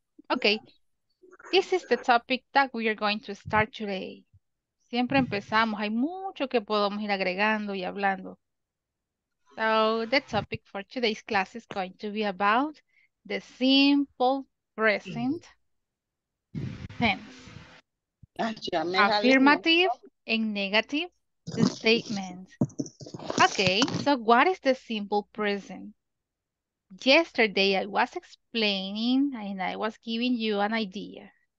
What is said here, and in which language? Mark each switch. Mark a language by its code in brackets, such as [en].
[en] Okay. This is the topic that we are going to start today. [es] Siempre empezamos. Hay mucho que podemos ir agregando y hablando. [en] So, the topic for today's class is going to be about the simple present tense. Affirmative and negative statements. Okay, so what is the simple present? Yesterday I was explaining and I was giving you an idea.